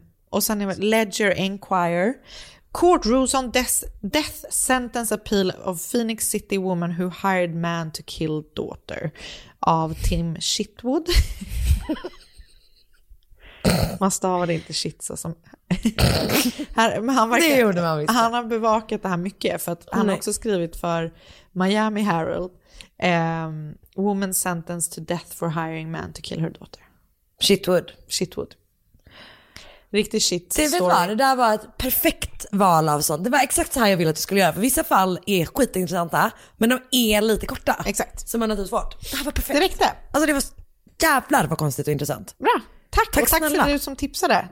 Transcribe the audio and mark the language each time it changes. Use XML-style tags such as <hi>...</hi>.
<sv>Och sen är det Ledger Inquirer.</sv> <en>Court rules on death sentence appeal of Phoenix City woman who hired man to kill daughter av Tim Shitwood.</en> <sv>Man stavade inte shit så som... Han har bevakat det här mycket, för att han har också skrivit för Miami Herald.</sv> <en>Woman sentenced to death for hiring man to kill her daughter. Shitwood.</en> <sv>Riktigt shit. Det vet vad, det där var ett perfekt val av sånt. Det var exakt så här jag ville att du skulle göra. För vissa fall är skitintressanta, men de är lite korta. Exakt. Så man har typ svårt. Det här var perfekt. Det räckte. Alltså det var jävlar vad konstigt och intressant. Bra. Tack för du som tipsade.</sv>